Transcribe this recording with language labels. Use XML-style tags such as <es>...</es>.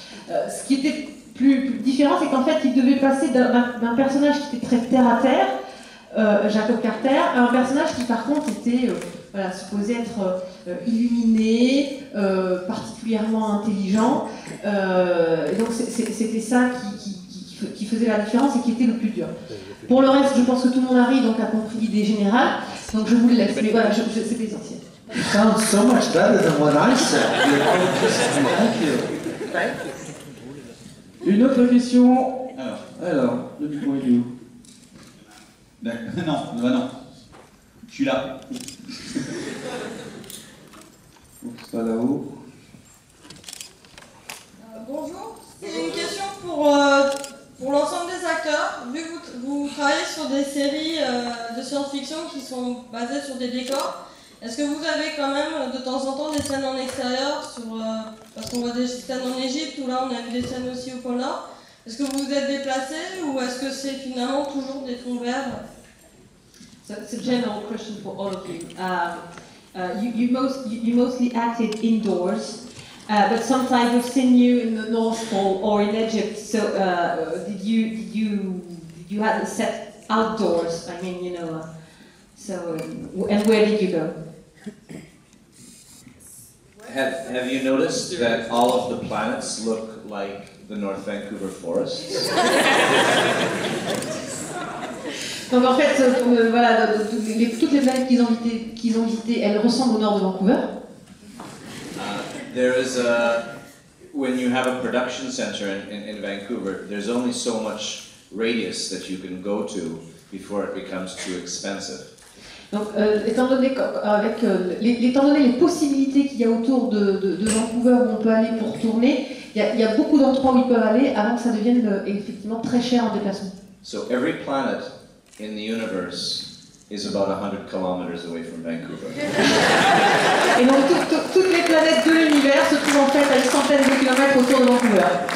<fr>Ce qui était plus différent, c'est qu'en fait, il devait passer d'un personnage qui était très terre à terre, Jacob Carter, un personnage qui par contre était supposé être illuminé, particulièrement intelligent. Donc c'était ça qui faisait la différence et qui était le plus dur. Pour le reste, je pense que tout le monde arrive, donc a compris l'idée générale. Donc je vous le laisse, mais voilà, c'était essentiel.</fr> <en>It sounds so much better than what I said. Thank you.</en> <fr>Une autre question. Alors le micro est où? Non. Je suis là. C'est pas là-haut. Bonjour. C'est une question pour l'ensemble des acteurs. Vu que vous travaillez sur des séries de science-fiction qui sont basées sur des décors, est-ce que vous avez quand même de temps en temps des scènes en extérieur parce qu'on voit des scènes en Égypte, où là on a eu des scènes aussi au pôle Nord. Est-ce que vous vous êtes déplacé ou est-ce que c'est finalement toujours des fonds verts?</fr> <en>So it's a general question for all of you. You mostly acted indoors, but sometimes we've seen you in the North Pole or in Egypt. So did you have a set outdoors? I mean, you know. So and where did you go? Where Have you noticed that all of the planets look like the North Vancouver forests?</en> <fr>Donc en fait, voilà, toutes les planètes qu'ils ont visitées, elles ressemblent au nord de Vancouver.</fr> <en>There is a, when you have a production center in Vancouver, there's only so much radius that you can go to before it becomes too expensive.</en> <fr>Donc, étant donné les possibilités qu'il y a autour de Vancouver où on peut aller pour tourner, il y a beaucoup d'endroits où ils peuvent aller avant que ça devienne effectivement très cher en déplacement.</fr> <en>So every planet in the universe is about 100 kilometers away from Vancouver.</en> <fr>Et donc toutes les planètes de l'univers se trouvent en fait à une centaine de kilomètres autour de Vancouver.</fr>